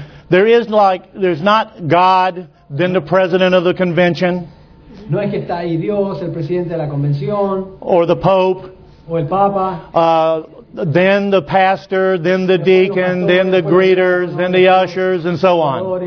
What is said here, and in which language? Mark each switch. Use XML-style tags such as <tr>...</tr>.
<en>There's not God, then the president of the convention.</en> <es>No es que está ahí Dios, el presidente de la convención,</es> <en>or the Pope,</en> <es>o el Papa,</es> <en>then the pastor, then the deacon, then the greeters, then the ushers, and so on.</en>